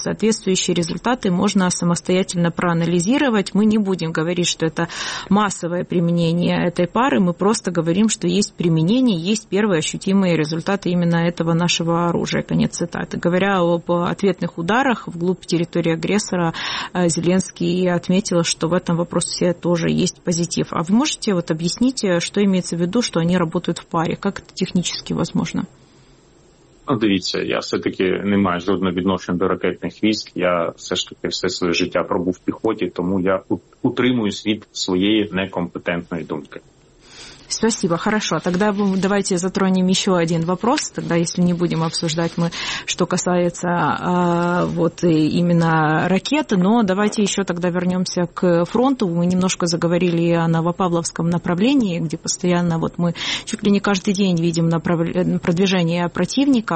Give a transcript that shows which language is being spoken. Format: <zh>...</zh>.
<ru>Соответствующие результаты можно самостоятельно проанализировать. Мы не будем говорить, что это массовое применение этой пары, мы просто говорим, что есть применение, есть первые ощутимые результаты именно этого нашего оружия. Конец цитаты. Говоря об ответных ударах вглубь территории агрессора, Зеленский отметил, что в этом вопросе тоже есть позитив. А вы можете вот объяснить, что имеется в виду, что они работают в паре? Как это технически возможно?</ru> <uk>Ну, дивіться, я все-таки не маю жодного відношення до ракетних військ. Я все ж таки все своє життя пробув в піхоті, тому я утримуюсь від своєї некомпетентної думки.</uk> <ru>Спасибо. Хорошо. Тогда давайте затронем еще один вопрос. Тогда, если не будем обсуждать мы, что касается вот именно ракеты, но давайте еще тогда вернемся к фронту. Мы немножко заговорили о Новопавловском направлении, где постоянно вот мы чуть ли не каждый день видим продвижение противника.</ru>